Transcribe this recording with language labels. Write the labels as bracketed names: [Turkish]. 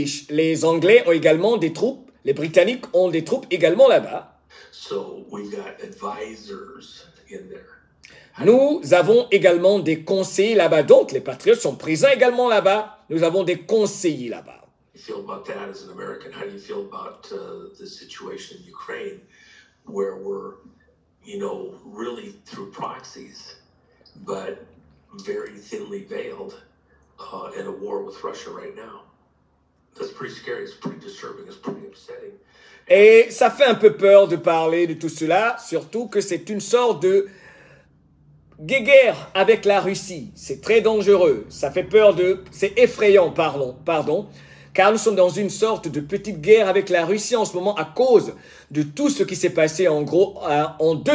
[French] Les Anglais ont également des troupes. Les Britanniques ont des troupes également là-bas. [English] So we've got advisors in there. [French] Nous avons également des conseillers là-bas. Donc, les patriotes sont présents également là-bas. Nous avons des conseillers là-bas. [English] How do you feel about that as an American? How do you feel about the situation in Ukraine where we're you know, really through proxies, but very thinly veiled, in a war with Russia right now. That's pretty scary, it's pretty disturbing, it's pretty upsetting. [French] Et ça fait un peu peur de parler de tout cela, surtout que c'est une sorte de guerre avec la Russie. C'est très dangereux, ça fait peur de... C'est effrayant, pardon. Car nous sommes dans une sorte de petite guerre avec la Russie en ce moment à cause de tout ce qui s'est passé en gros en